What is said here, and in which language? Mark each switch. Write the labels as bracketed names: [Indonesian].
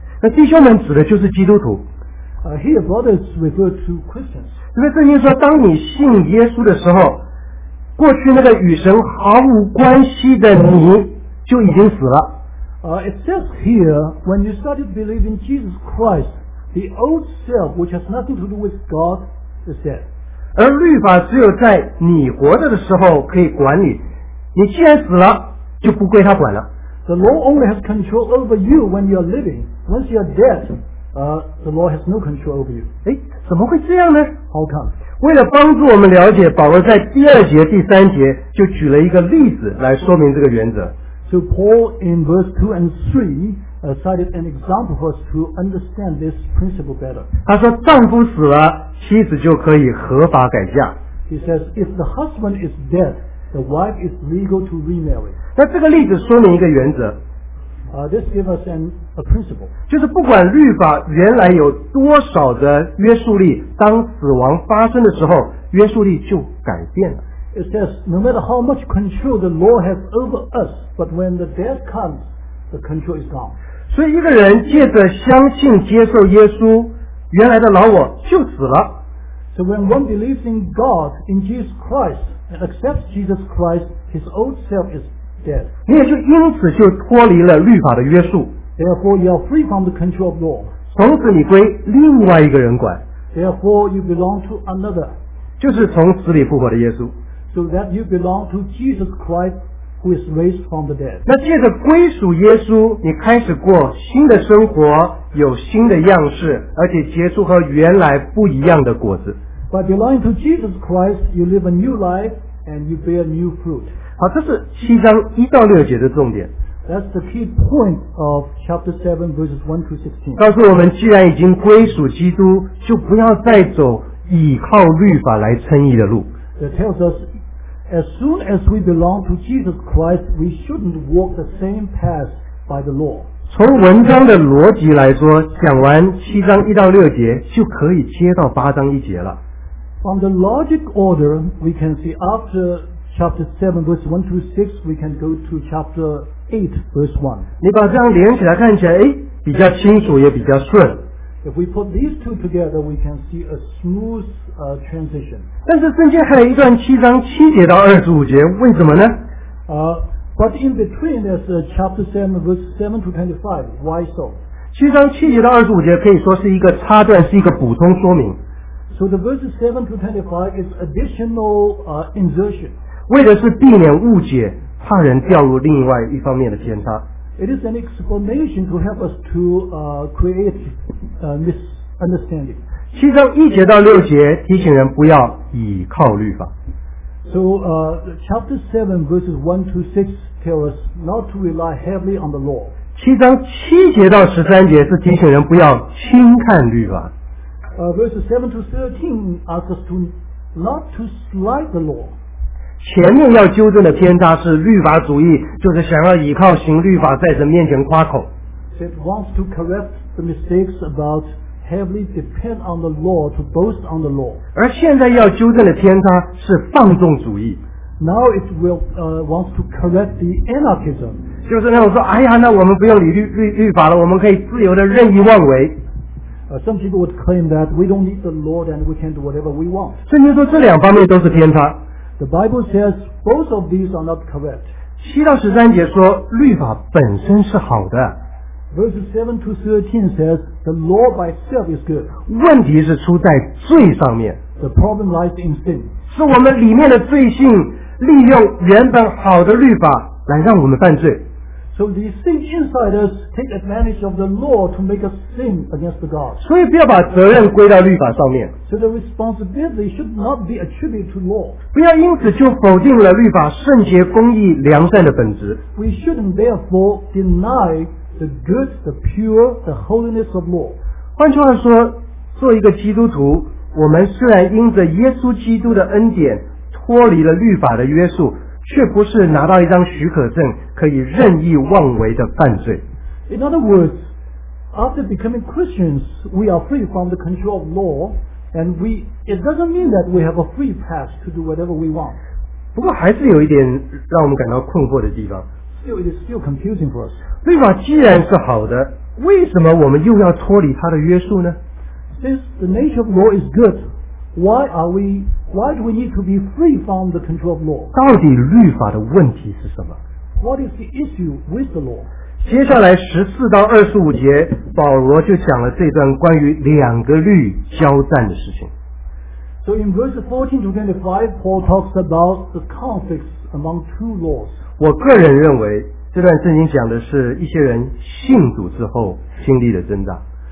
[Chinese] 那弟兄们指的就是基督徒。 [English] Here brothers refer to Christians. [Chinese] 因为圣经说，当你信耶稣的时候，过去那个与神毫无关系的你就已经死了。 [English] It says here, when you started believing Jesus Christ, the old self, which has nothing to do with God, is dead. [Chinese] 而律法只有在你活着的时候可以管理，你既然死了，就不归他管了。 [English] The law only has control over you when you are living. Once you are dead, the law has no control over you. [Chinese] 诶，怎么会这样呢？ [English] How come? [Chinese] 为了帮助我们了解，保罗在第二节、第三节就举了一个例子来说明这个原则。 [English] So Paul in verse 2 and 3 cited an example for us to understand this principle better. [Chinese] 他说丈夫死了，妻子就可以合法改嫁。 [English] He says if the husband is dead, the wife is legal to remarry. [Chinese] 那这个例子说明一个原则。 [English] This gives us a principle. [Chinese] 就是不管律法原来有多少的约束力，当死亡发生的时候，约束力就改变了。 [English] It says, no matter how much control the law has over us, but when the death comes, the control is gone. [Chinese] 所以一个人借着相信接受耶稣，原来的老我就死了。 [English] So when one believes in God, in Jesus Christ, and accepts Jesus Christ, his old self is dead. [Chinese] 你也就因此就脱离了律法的约束。 [English] Therefore, you are free from the control of law. [Chinese] 从此你归另外一个人管。 [English] Therefore, you belong to another. [Chinese] 就是从死里复活的耶稣。 [English] So that you belong to Jesus Christ who is raised from the dead. [Chinese] 那借着归属耶稣，你开始过新的生活，有新的样式，而且结出和原来不一样的果子。 [English] By belonging to Jesus Christ, you live a new life and you bear new fruit. [Chinese] 好，这是七章一到六节的重点。 [English] That's the key point of chapter 7 verses 1 to 16. [Chinese] 告诉我们，既然已经归属基督，就不要再走依靠律法来称义的路。 [English] That tells us, as soon as we belong to Jesus Christ, we shouldn't walk the same path by the law. [Chinese] 从文章的逻辑来说，讲完七章一到六节，就可以接到八章一节了。 [English] From the logic order, we can see after chapter 7 verse 1 to 6, we can go to chapter 8 verse 1. [Chinese] 你把这样连起来看起来，诶，比较清楚也比较顺。 [English] If we put these two together, we can see a smooth transition. [Chinese] 但是圣经还有一段七章七节到二十五节，为什么呢？ [English] But in between, there's chapter 7, verse 7 to 25. Why so? [Chinese] 七章七节到二十五节可以说是一个插段，是一个补充说明。 [English] So the verses 7 to 25 is additional insertion. [Chinese] 为的是避免误解，怕人掉入另外一方面的偏差。 [English] It is an explanation to help us to create misunderstanding. [Chinese] 七章一节到六节提醒人不要倚靠律法。 [English] So chapter 7 verses 1 to 6 tell us not to rely heavily on the law. [Chinese] 七章七节到十三节是提醒人不要轻看律法。 [English] Verses 7 to 13 ask us to not to slight the law. [Chinese] 前面要纠正的偏差是律法主义，就是想要倚靠行律法在神面前夸口。 [English] It wants to correct the mistakes about heavily depend on the law to boast on the law. [Chinese] 而现在要纠正的偏差是放纵主义。 [English] Now it will wants to correct the anarchism. [Chinese] 就是那种说，哎呀，那我们不用理律法了，我们可以自由的任意妄为。 [English] Some people would claim that we don't need the law and we can do whatever we want. [Chinese] 圣经说这两方面都是偏差。 [English] The Bible says both of these are not correct. [Chinese] 七到十三节说律法本身是好的。 [English] Verses 7 to 13 says the law by itself is good. [Chinese] 问题是出在罪上面。 [English] The problem lies in sin. [Chinese] 是我们里面的罪性利用原本好的律法来让我们犯罪。 [English] So the sin inside us take advantage of the law to make us sin against the God. [Chinese] 所以不要把责任归到律法上面。 [English] So the responsibility should not be attributed to law. [Chinese] 不要因此就否定了律法圣洁、公义、良善的本质。 [English] We shouldn't therefore deny the good, the pure, the holiness of law. [Chinese] 换句话说，作为一个基督徒，我们虽然因着耶稣基督的恩典脱离了律法的约束，却不是拿到一张许可证可以任意妄为的犯罪。 [English] In other words, after becoming Christians, we are free from the control of law, and it doesn't mean that we have a free pass to do whatever we want. [Chinese] 不过还是有一点让我们感到困惑的地方。 [English] still, it is still confusing for us. [Chinese] 律法既然是好的，为什么我们又要脱离它的约束呢？ [English] Since the nature of law is good, why do we need to be free from the control of law? [Chinese] 到底律法的问题是什么？ [English] What is the issue with the law? [Chinese] 接下来14到25节，保罗就讲了这段关于两个律交战的事情。 [English] So in verse 14 to 25, Paul talks about the conflicts among two laws. [Chinese] 我个人认为这段圣经讲的是一些人信主之后经历的挣扎。